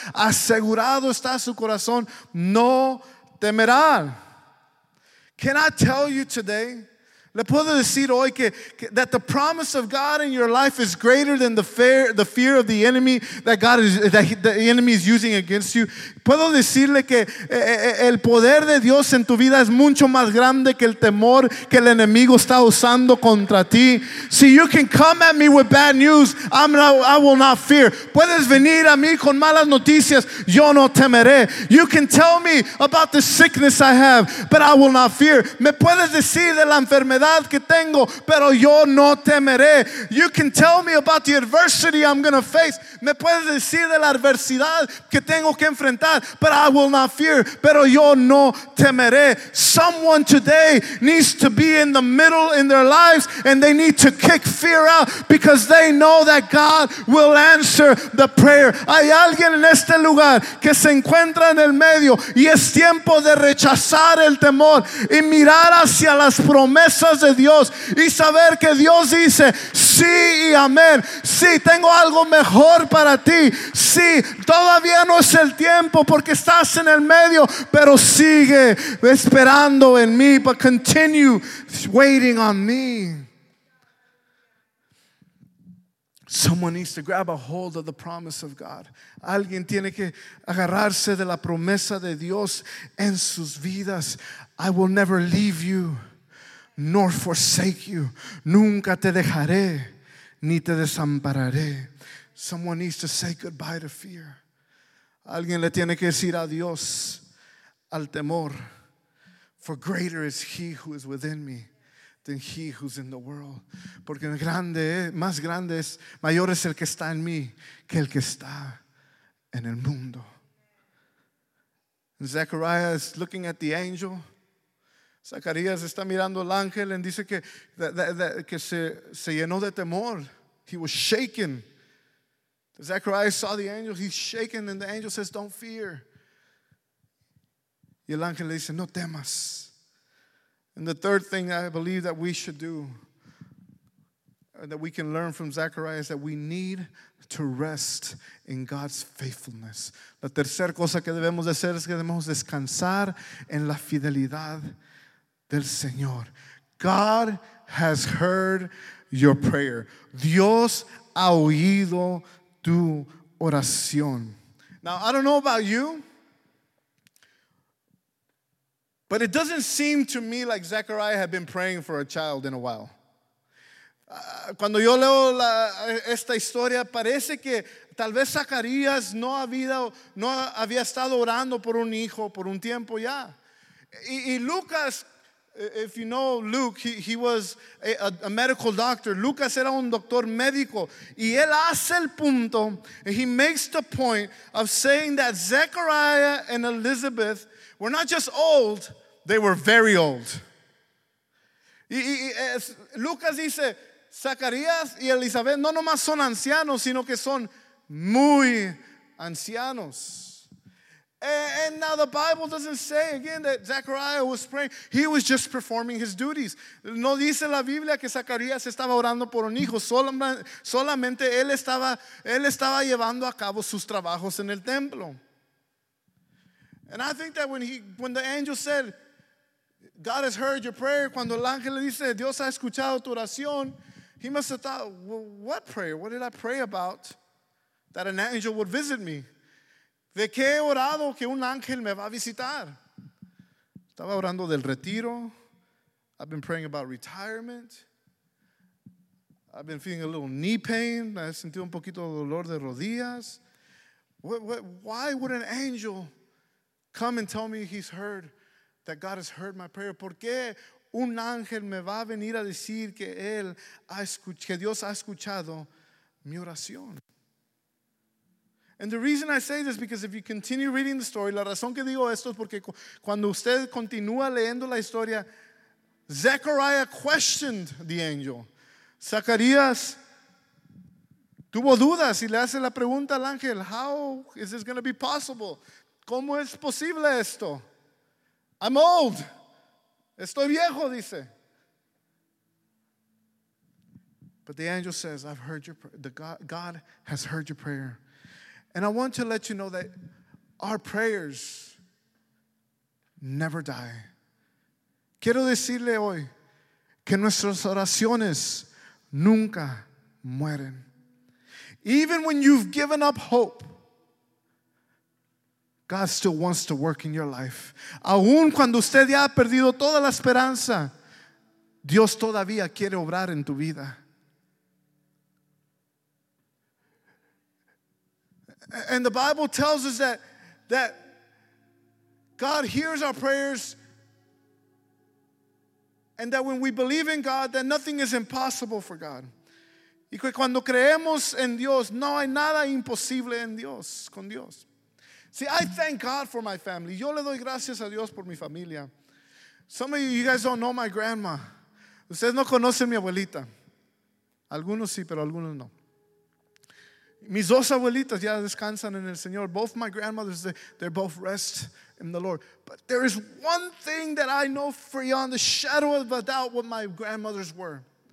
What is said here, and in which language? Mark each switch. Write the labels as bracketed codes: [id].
[es] Asegurado está su corazón. No temerán. [en] Can I tell you today? [es] Le puedo decir hoy [en] that the promise of God in your life is greater than the fear of the enemy that the enemy is using against you. [es] Puedo decirle que el poder de Dios en tu vida es mucho más grande que el temor que el enemigo está usando contra ti. [en] See, you can come at me with bad news, I will not fear. [es] Puedes venir a mí con malas noticias, yo no temeré. [en] You can tell me about the sickness I have, but I will not fear. [es] Me puedes decir de la enfermedad que tengo, pero yo no temeré. [en] You can tell me about the adversity I'm going to face. [es] Me puedes decir de la adversidad que tengo que enfrentar, [en] but I will not fear. [es] Pero yo no temeré. [en] Someone today needs to be in the middle in their lives, and they need to kick fear out because they know that God will answer the prayer. [es] Hay alguien en este lugar que se encuentra en el medio, y es tiempo de rechazar el temor y mirar hacia las promesas de Dios y saber que Dios dice sí y amén. Sí, tengo algo mejor para ti. Sí, todavía no es el tiempo porque estás en el medio, pero sigue esperando en mí. [en] But continue waiting on me. Someone needs to grab a hold of the promise of God. [es] Alguien tiene que agarrarse de la promesa de Dios en sus vidas. [en] I will never leave you nor forsake you. [es] Nunca te dejaré, ni te desampararé. [en] Someone needs to say goodbye to fear. [es] Alguien le tiene que decir adiós al temor. [en] For greater is he who is within me than he who's in the world. [es] Porque grande, más grande es, mayor es el que está en mí que el que está en el mundo. [en] Zechariah is looking at the angel. [es] Zacarías está mirando al ángel y dice que se llenó de temor. [en] He was shaken. Zacarías saw the angel. He's shaken, and the angel says, don't fear. [es] Y el ángel le dice, no temas. [en] And the third thing I believe that we should do, that we can learn from Zacarías, is that we need to rest in God's faithfulness. [es] La tercera cosa que debemos hacer es que debemos descansar en la fidelidad del Señor. [en] God has heard your prayer. [es] Dios ha oído tu oración. [en] Now, I don't know about you, but it doesn't seem to me like Zechariah had been praying for a child in a while. [es] Cuando yo leo esta historia, parece que tal vez Zacarías no había estado orando por un hijo por un tiempo ya. [en] Y Lucas, if you know Luke, he was a medical doctor. [es] Lucas era un doctor médico. Y él hace el punto, [en] and he makes the point of saying that Zechariah and Elizabeth were not just old, they were very old. [es] Lucas dice, Zacarías y Elizabeth no nomás son ancianos, sino que son muy ancianos. [en] And now the Bible doesn't say again that Zechariah was praying. He was just performing his duties. [es] No dice la Biblia que Zacarías estaba orando por un hijo. Solamente él estaba llevando a cabo sus trabajos en el templo. [en] And I think that when the angel said, God has heard your prayer, [es] cuando el ángel le dice, Dios ha escuchado tu oración, [en] he must have thought, well, what prayer? What did I pray about that an angel would visit me? [es] ¿De qué he orado que un ángel me va a visitar? Estaba orando del retiro. [en] I've been praying about retirement. I've been feeling a little knee pain. [es] He sentido un poquito de dolor de rodillas. [en] Why would an angel come and tell me he's heard, that God has heard my prayer? [es] ¿Por qué un ángel me va a venir a decir que él ha escuchado, que Dios ha escuchado mi oración? [en] And the reason I say this is because if you continue reading the story, [es] la razón que digo esto es porque cuando usted continúa leyendo la historia, [en] Zechariah questioned the angel. [es] Zacarías tuvo dudas y le hace la pregunta al ángel, [en] how is this going to be possible? [es] ¿Cómo es posible esto? [en] I'm old. [es] Estoy viejo, dice. [en] But the angel says, I've heard your prayer. God has heard your prayer. And I want to let you know that our prayers never die. [es] Quiero decirle hoy que nuestras oraciones nunca mueren. [en] Even when you've given up hope, God still wants to work in your life. [es] Aun cuando usted ya ha perdido toda la esperanza, Dios todavía quiere obrar en tu vida. [en] And the Bible tells us that God hears our prayers, and that when we believe in God, that nothing is impossible for God. [es] Y que cuando creemos en Dios, no hay nada imposible en Dios, con Dios. [en] See, I thank God for my family. [es] Yo le doy gracias a Dios por mi familia. [en] Some of you guys don't know my grandma. [es] Ustedes no conocen mi abuelita. Algunos sí, pero algunos no. Mis dos abuelitas ya descansan en el Señor. [en] Both my grandmothers, they both rest in the Lord. But there is one thing that I know beyond the shadow of a doubt what my grandmothers were.